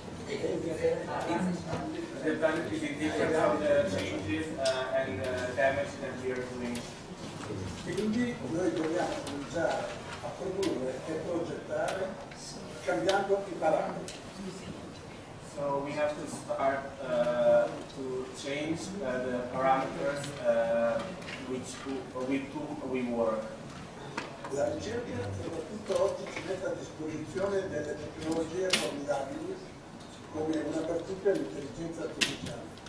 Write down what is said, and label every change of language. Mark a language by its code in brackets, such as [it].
[en] The benefit is different from the changes and the damage that we are doing. [it] E quindi noi dobbiamo cominciare a produrre e progettare cambiando i parametri. [en] So we have to start to change the parameters which we work. [it] La ricerca soprattutto oggi ci mette a disposizione delle tecnologie formidabili come una partita l'intelligenza artificiale.